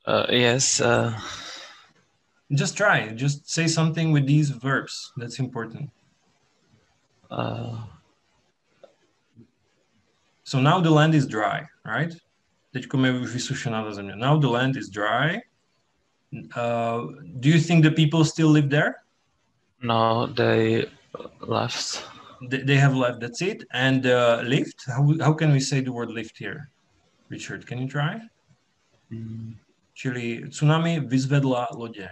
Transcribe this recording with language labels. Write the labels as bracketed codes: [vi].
[en] Yes. Just try. Just say something with these verbs. That's important. So now the land is dry, right? [cs] Teďko mi už vysušená ta země. [en] Now the land is dry. Do you think the people still live there? No, they left. They have left. That's it. And lift? How can we say the word lift here? Richard, can you try? [cs] Čili tsunami vyzvedla lodě.